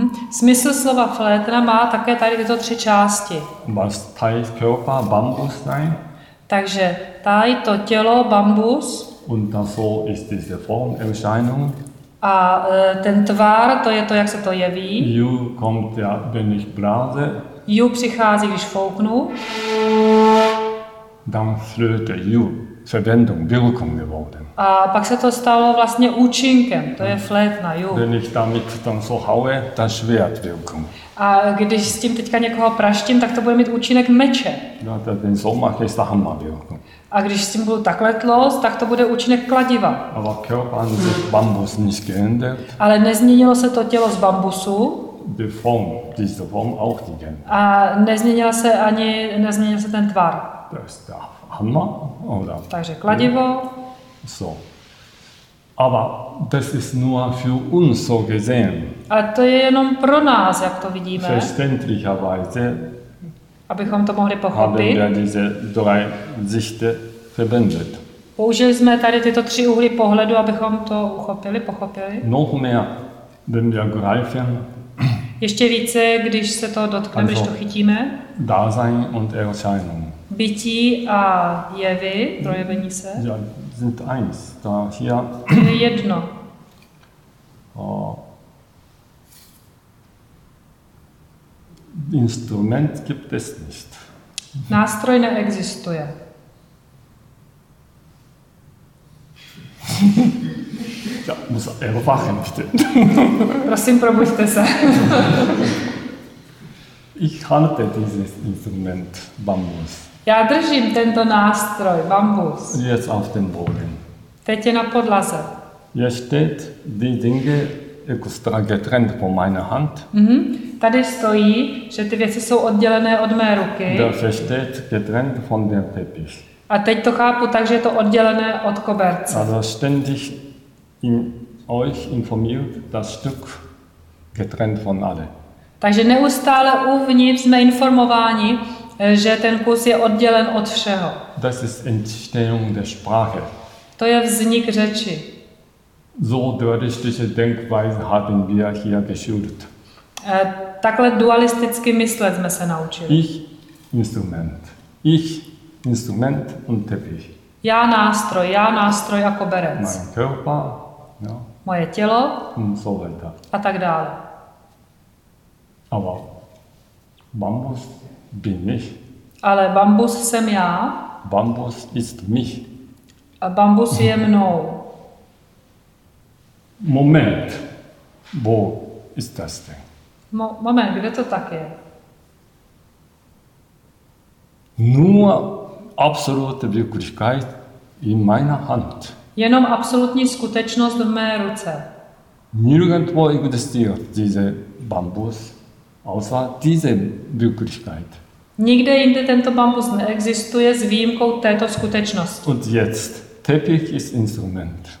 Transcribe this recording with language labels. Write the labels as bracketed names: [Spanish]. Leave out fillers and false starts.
[Czech] Smysl slova flétna má také tady tyto tři části. [German] Was Tai Körper, Bambus sein. [Czech] Takže Tai to tělo, bambus. [German] Und davor ist diese Form Erscheinung. [Czech] A ten tvar, to je to, jak se to jeví. [German] Ju kommt ja, wenn ich blase. [Czech] Ju přichází, když fouknu. [German] Dann flöte ju. Verwendung, Wirkung geworden. [Czech] A pak se to stalo vlastně účinkem, to je flétna, jo. [German] Wenn ich damit dann so haue, dann Schwert Wirkung. [Czech] A když s tím teďka někoho praštím, tak to bude mít účinek meče. [German] No, das ist so mache ich dann mal Wirkung. [Czech] A když s tím budu takhle tlost, tak to bude účinek kladiva. [German] Aber Körper an sich Bambus nicht geändert. [Czech] Ale nezměnilo se to tělo z bambusu. [German] Die Form, diese Form auch nicht geändert. [Czech] A nezměnil se ani, nezměnil se ten tvar. [German] Das ist der Hammer, oder? [Czech] Takže kladivo. [German] So. Aber das ist nur für uns so gesehen. [Czech] A to je jenom pro nás, jak to vidíme. [German] Verständlicherweise. [Czech] Abychom to mohli pochopit. [German] Haben wir diese drei Sichte verbindet. [Czech] Použili jsme tady tyto tři úhly pohledu, abychom to uchopili, pochopili. [German] Noch mehr, wenn wir greifen. [Czech] Ještě více, když se to dotkneme, also, když to chytíme. [German] Dasein und Erscheinung. [Czech] Bytí a jevy, projevení se. [German] Ja, sind eins. Da hier. [Czech] Je jedno. [German] Instrument gibt es nicht. [Czech] Nástroj neexistuje. [German] Ja, muss erwachen, bitte. [Czech] Prosím, probuďte se. [German] Ich halte dieses Instrument, Bambus. [Czech] Já držím tento nástroj, Bambus. [German] Jetzt auf dem Boden. [Czech] Teď je na podlaze. [German] Hier steht die Dinge extra getrennt von meiner Hand. [Czech] Tady stojí, že ty věci jsou oddělené od mé ruky. [German] Hier steht getrennt von dem Teppich. [Czech] A teď to chápu tak, že je to oddělené od koberce. [German] Also ständig in euch informiert das Stück getrennt von alle. [Czech] Takže neustále uvnitř jsme informováni, že ten kus je oddělen od všeho. [German] Das ist Entstehung der Sprache. [Czech] To je vznik řeči. [German] So dualistische Denkweise haben wir hier geschult. [Czech] Takhle dualisticky myslet jsme se naučili. [German] Ich Instrument. Ich Instrument und Teppich. [Czech] Já nástroj a koberec. [German] Mein Körper, ja. [Czech] Moje tělo. [German] Und so weiter. [Czech] A tak dále. [German] Aber Bambus bin ich. [Czech] Ale Bambus jsem já. [German] Bambus ist mich. [Czech] A Bambus je mnou. [German] Moment. Wo ist das denn? [Czech] Moment, kde to tak je? [German] Nur absolute Wirklichkeit in meiner Hand. [Czech] Jenom absolutní skutečnost v mé ruce. [German] Nirgendwo existiert diese Bambus außer diese Wirklichkeit. [Czech] Nikde jinde tento bambus neexistuje s výjimkou této skutečnosti. [German] Und jetzt, Teppich ist Instrument.